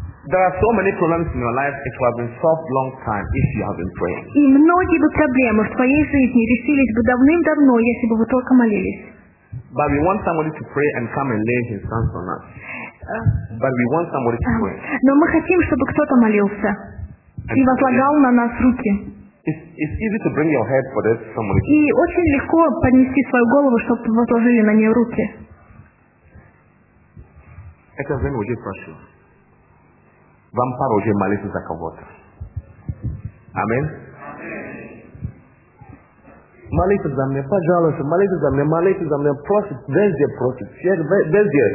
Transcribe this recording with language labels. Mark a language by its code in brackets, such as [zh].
[en] There are so many problems in your life it would have been solved long time if you have been praying. [ru] И многие бы проблемы в твоей жизни решились бы давным-давно, если бы вы только молились. [en] But we want somebody to pray and come and lay his hands on us. But we want somebody to pray. [ru] Но мы хотим, чтобы кто-то молился и возлагал на нас руки. [en] It's easy to bring your head for this somebody. [ru] И очень легко поднести свою голову, чтобы возложили на нее руки. Это время уже прошло. Вам пора уже молиться за кого-то. Аминь. Молитесь за меня, пожалуйста. Молитесь за меня, молитесь за меня. Просит, везде просит. Везде.